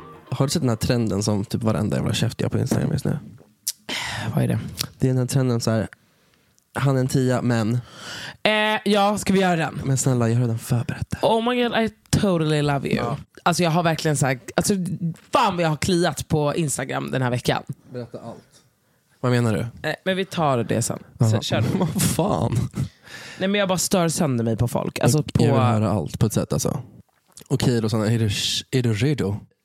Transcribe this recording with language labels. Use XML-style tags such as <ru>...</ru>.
<sv>Har du sett den här trenden som typ varenda jävla käft jag på Instagram just nu? Vad är det? Det är den här trenden så här. Han är en tia, men ja, ska vi göra den? Men snälla, jag har redan förberett.</sv> <en>Oh my god, I totally love you.</en> <sv>Alltså jag har verkligen sagt, alltså, fan vad jag har kliat på Instagram den här veckan. Berätta allt. Vad menar du? Men vi tar det sen. Sen kör vad fan? Nej, men jag bara stör sönder mig på folk. Alltså, jag vill höra allt på ett sätt. Alltså. Okej, då, sådana, är du redo?</sv>